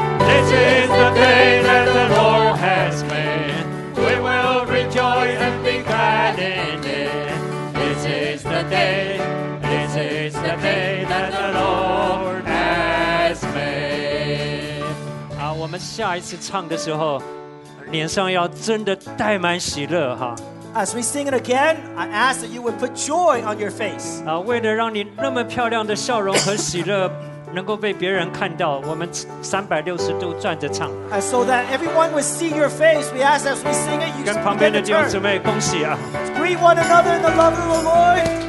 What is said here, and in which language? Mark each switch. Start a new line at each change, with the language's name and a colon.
English: This is the day that the Lord has made. We will rejoice and be glad in it. This is the day. This is the day that the Lord has made.
Chinese: 好，我们下一次唱的时候。脸上要真的带满喜乐哈
English: As we sing it again, I ask that you would put joy on your face.
Chinese: 为了让你那么漂亮的笑容和喜乐能够被别人看到，我们360度转着唱。
English: So that everyone would see your face, we ask as we sing it, you can
Chinese: 跟旁边的弟兄姊妹恭喜啊
English: Greet one another in the love of the Lord.